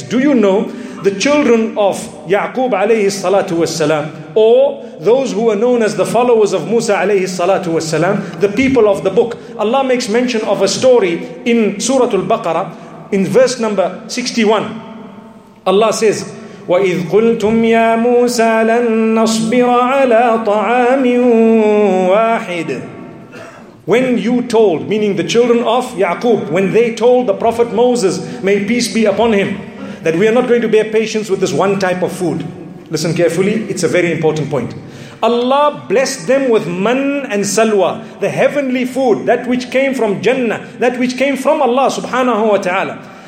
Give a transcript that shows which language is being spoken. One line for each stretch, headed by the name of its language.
English: Do you know the children of Ya'qub alayhi salatu wasalam, or those who were known as the followers of Musa alayhi salatu wasalam, the people of the book? Allah makes mention of a story in Surah Al-Baqarah in verse number 61. Allah says,
Arabic: وَإِذْ قُلْتُمْ يَا مُوسَى لَنْ نَصْبِرَ عَلَىٰ طَعَامٍ وَاحِدٍ.
English: When you told, meaning the children of Ya'qub, when they told the Prophet Moses, may peace be upon him, that we are not going to bear patience with this one type of food. Listen carefully, it's a very important point. Allah blessed them with man and salwa, the heavenly food, that which came from Jannah, that which came from Allah subhanahu wa ta'ala.